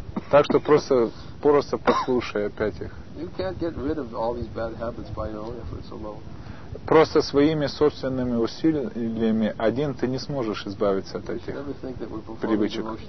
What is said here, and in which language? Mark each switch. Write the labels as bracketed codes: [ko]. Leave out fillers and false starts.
[ru] Так что просто послушай опять их. [en] You can't get rid of all these bad habits by your own efforts alone. [ru] Просто своими собственными усилиями один ты не сможешь избавиться от этих привычек.